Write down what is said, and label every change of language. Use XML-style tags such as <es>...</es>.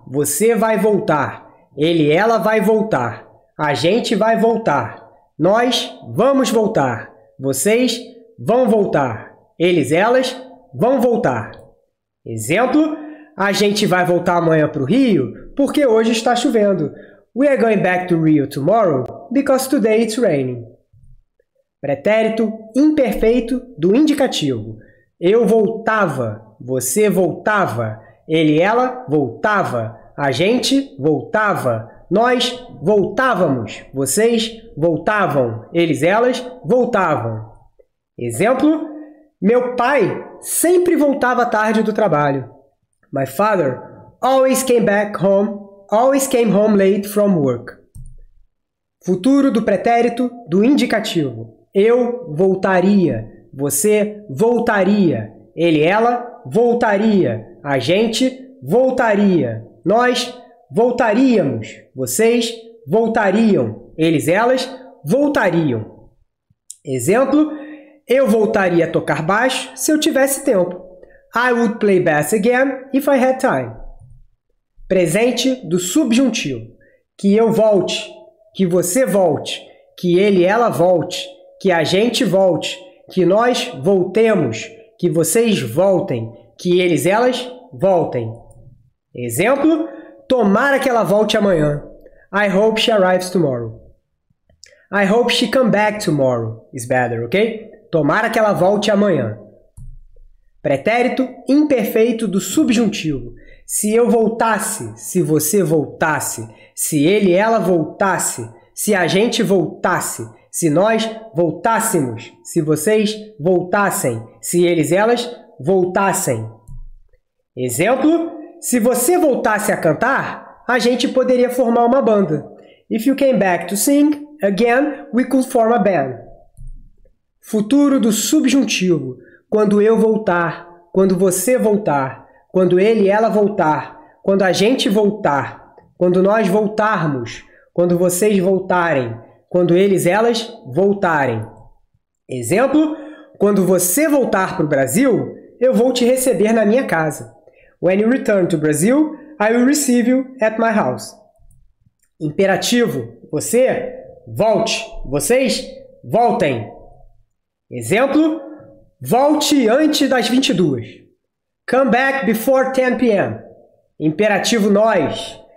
<pt>Você vai voltar. Ele, ela vai voltar. A gente vai voltar. Nós vamos voltar. Vocês vão voltar. Eles, elas vão voltar. Exemplo: a gente vai voltar amanhã para o Rio porque hoje está chovendo.</pt> <en>We are going back to Rio tomorrow because today it's raining.</en> <pt>Pretérito imperfeito do indicativo. Eu voltava. Você voltava. Ele, ela voltava. A gente voltava. Nós voltávamos. Vocês voltavam. Eles, elas voltavam. Exemplo: meu pai sempre voltava tarde do trabalho.</pt> <en>My father always came home late from work.</en> <pt>Futuro do pretérito do indicativo. Eu voltaria. Você voltaria. Ele, ela voltaria. A gente voltaria. Nós voltaríamos. Vocês voltariam. Eles, elas voltariam. Exemplo: eu voltaria a tocar baixo se eu tivesse tempo.</pt> <en>I would play bass again if I had time.</en> <pt>Presente do subjuntivo. Que eu volte. Que você volte. Que ele, ela volte. Que a gente volte. Que nós voltemos. Que vocês voltem. Que eles, elas voltem. Exemplo: tomara que ela volte amanhã.</pt> <en>I hope she arrives tomorrow. I hope she come back tomorrow is better, ok?</en> <pt>Tomara que ela volte amanhã. Pretérito imperfeito do subjuntivo. Se eu voltasse, se você voltasse, se ele, ela voltasse, se a gente voltasse, se nós voltássemos, se vocês voltassem, se eles, elas voltassem. Exemplo: se você voltasse a cantar, a gente poderia formar uma banda.</pt> <en>If you came back to sing again, we could form a band.</en> <pt>Futuro do subjuntivo. Quando eu voltar, quando você voltar, quando ele e ela voltar, quando a gente voltar, quando nós voltarmos, quando vocês voltarem, quando eles e elas voltarem. Exemplo: quando você voltar para o Brasil, eu vou te receber na minha casa.</pt> <en>When you return to Brazil, I will receive you at my house.</en> <pt>Imperativo: você volte, vocês voltem. Exemplo: volte antes das 22.</pt> <en>Come back before 10 p.m.</en> <pt>Imperativo nós.</pt>